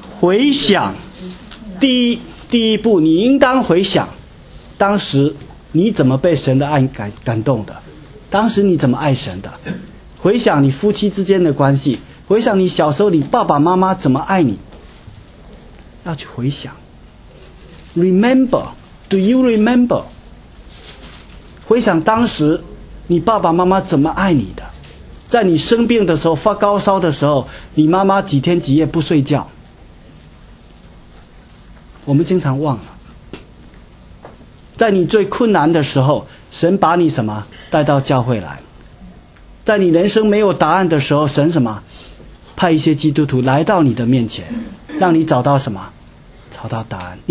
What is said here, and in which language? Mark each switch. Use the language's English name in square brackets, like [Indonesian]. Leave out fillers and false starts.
[Chinese] 回想，第一步，你应当回想，当时你怎么被神的爱感动的？当时你怎么爱神的？回想你夫妻之间的关系，回想你小时候你爸爸妈妈怎么爱你，要去回想。 [English] Remember, do you remember? [Chinese] 回想当时你爸爸妈妈怎么爱你的，在你生病的时候发高烧的时候，你妈妈几天几夜不睡觉，我们经常忘了。在你最困难的时候，神把你什么带到教会来，在你人生没有答案的时候，神什么派一些基督徒来到你的面前，让你找到什么，找到答案。